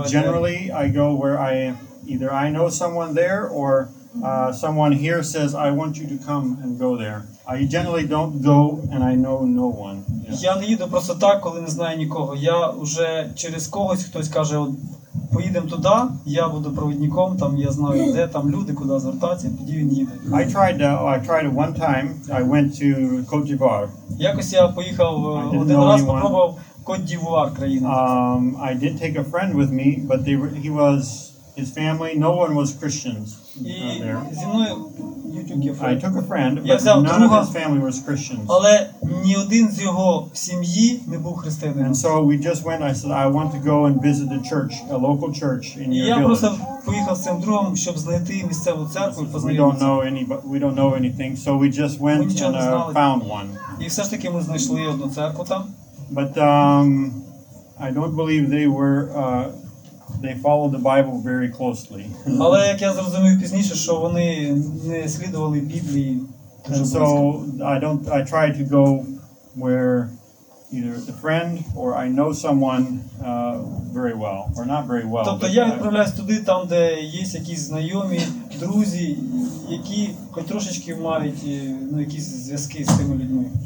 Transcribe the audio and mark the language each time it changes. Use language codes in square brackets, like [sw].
[en] But generally I go where I either I know someone there or someone here says I want you to come and go there. I generally don't go and I know no one. [uk] Я не їду просто так, коли не знаю нікого. Я вже через когось хтось каже, от поїдемо туди, я буду провідником, там я знаю, де там люди, куди звертатися, тоді він їде. [en] I tried one time, I went to Cote d'Ivoire. [uk] Якось я поїхав один раз, попробував Кот-д'Івуар країна. [en] I did take a friend with me, but his family, no one was Christians. [uk] Зі мною [en] I took a friend, but none of his family was Christians. [uk] Але ні один з його сім'ї не був християнином. [en] And so we just went, I said, I want to go and visit the church, a local church in your village. [uk] Я просто поїхав з цим другом, щоб знайти місцеву церкву, познайомитися. [en] We don't know anything, so we just went and found one. [uk] І все ж таки ми знайшли одну церкву там. [en] But I don't believe they were they follow the Bible very closely. [uk] Але як я зрозумів пізніше, що вони не слідували Біблії. [en] So I try to go where either a friend or I know someone very well or not very well. [uk] Тобто я відправляюсь туди, там де є якісь знайомі, друзі, які хоч трошечки мають, ну, якісь зв'язки з тими людьми.